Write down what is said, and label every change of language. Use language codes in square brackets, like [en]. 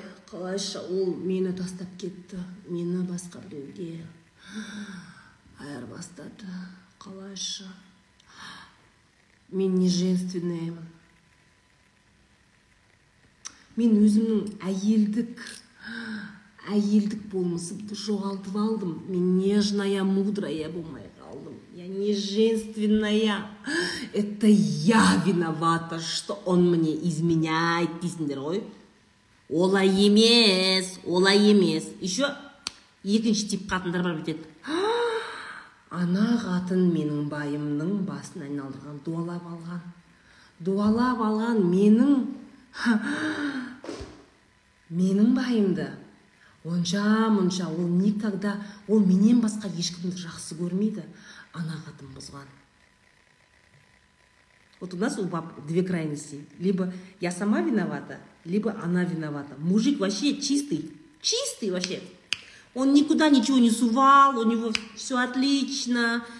[kk] Қалайша ол мені тастап кетті, мені басқа біреуге айырбастады. Қалайша. Мен не женственнаймын. Мен өзімнің әйелдік болмысымды жоғалтып алдым. Мен [ru] нежная, мудрая [kk] болмай қалдым. [ru] Я не женственная. Это я виновата, что он мне изменяет, [kk] дейсіндер ғой. Олай емес, олай емес. Еще екінші тип қатындар бар бітеді. Ана қатын менің байымның басын айналдырған, дуалап алған. Дуалап алған менің байымды. Онша-мұнша, ол никогда, ол менен басқа ешкімді жақсы көрмейді. Ана қатын бұзған. [ru] Вот у нас у баб две крайности. Либо я сама виновата, либо она виновата. Мужик вообще чистый. Чистый вообще. Он никуда ничего не сувал, у него все отлично.